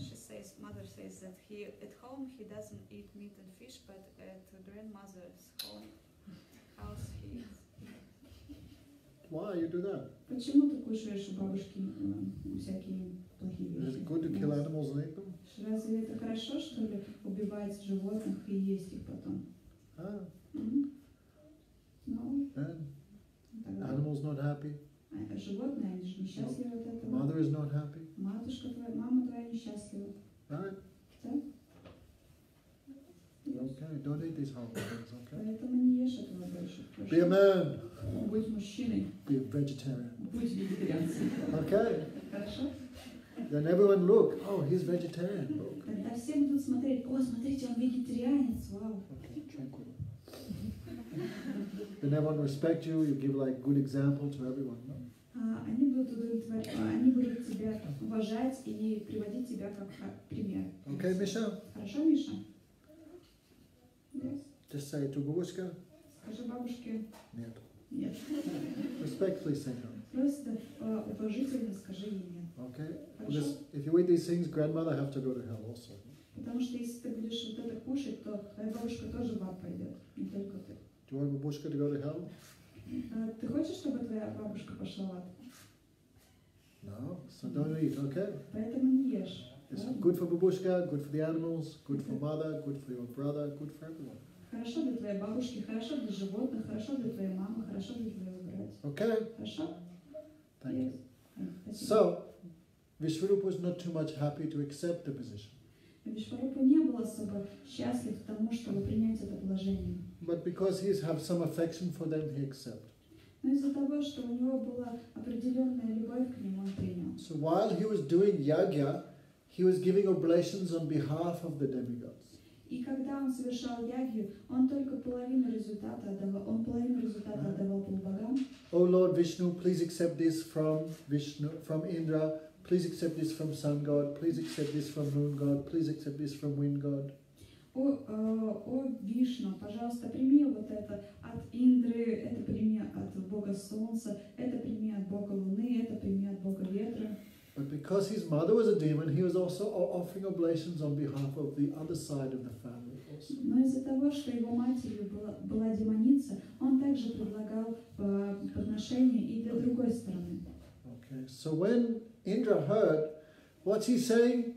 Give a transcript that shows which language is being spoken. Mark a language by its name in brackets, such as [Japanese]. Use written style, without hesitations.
[English] says, mother says that he at home he doesn't eat meat and fish, but at grandmother's house he eats. Why you do that? [Russian] Почему ты кушаешь у бабушки всякие плохие вещи? [English] Is it good to kill animals and eat them? [Russian] Разве это хорошо, что ли, убивать животных и есть их потом? [English] No. Animals not happy. [Russian] Животные несчастливы от этого. [English] Mother is not happy. [Russian] Матушка твоя, мама твоя несчастлива. [English] Okay, don't eat these horrible things, okay? [Russian] Поэтому не ешь этого больше. [English] Be a man. [Russian] Будь мужчиной. [English] Be a vegetarian. [Russian] Будь вегетарианцем. [English] Okay. [Russian] Хорошо. [English] Then everyone look. Oh, he's vegetarian. Look. [Russian] Тогда все будут смотреть. О, смотрите, он вегетарианец. Вау. [English] Okay, then everyone respect you. You give like good example to everyone. No? [Russian] Они будут тебя уважать и приводить тебя как пример. [English] Okay, Миша. [Russian] Хорошо, Миша. [English] Just say to бабушка. [Russian] Скажи бабушке. Нет. Нет. [English] Respectfully say no. [Russian] Просто уважительно скажи ей нет. [English] Okay. Because if you eat these things, grandmother have to go to hell also. [Russian] Потому что если ты будешь вот это кушать, то твоя бабушка тоже в ад пойдет, не только ты. [English] Do you want бабушка to go to hell? [Russian] Ты хочешь, чтобы твоя бабушка пошла в ад? [English] No. So don't eat. Okay. [Russian] Поэтому не ешь. [English] It's good for бабушка, good for the animals, good for mother, good for your brother, good for everyone. [Russian] Хорошо для твоей бабушки, хорошо для животных, хорошо для твоей мамы, хорошо для твоего брата. [English] Okay. [Russian] Хорошо? [English] Thank you. So, Вишварупа was not too much happy to accept the position. [Russian] Вишварупа не был особо счастлив к тому, чтобы принять это положение. [English] But because he has some affection for them, he accepted. [Russian] Но из-за того, что у него была определенная любовь к ним, он принял. [English] So while he was doing yagya, he was giving oblations on behalf of the demigods. [Russian] И когда он совершал ягью, он только половину результата отдавал, он половину результата отдавал полубогам. [English] Oh Lord Vishnu, please accept this from Vishnu, from Indra. Please accept this from Sun God. Please accept this from Moon God. Please accept this from Wind God. [Russian] О Вишну, пожалуйста, прими вот это от Индры, это прими от Бога Солнца, это прими от Бога Луны, это прими от Бога Ветра. [English] But because his mother was a demon, he was also offering oblations on behalf of the other side of the family. [Russian] Но из-за того, что его матерью была демоница, он также предлагал подношения и для другой стороны. [English] Okay. So when Indra heard, what's he saying?